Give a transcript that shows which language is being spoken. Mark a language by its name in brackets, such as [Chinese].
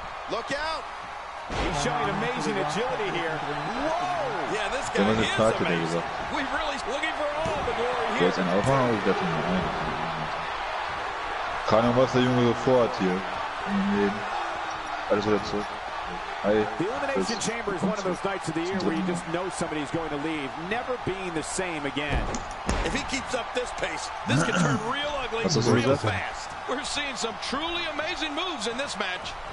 [English] Look out! He's showing amazing agility here. Whoa! Yeah, this guy is amazing. We're really looking for all the glory here. [German] Keine Ahnung, was der Junge so vorhat hier. Nee. Alles wieder zurück. Hi. [English] The Elimination Chamber is one of those nights of the year where you just know somebody's going to leave, never being the same again. If he keeps up this pace, this could turn real ugly real fast. We're seeing some truly amazing moves in this match.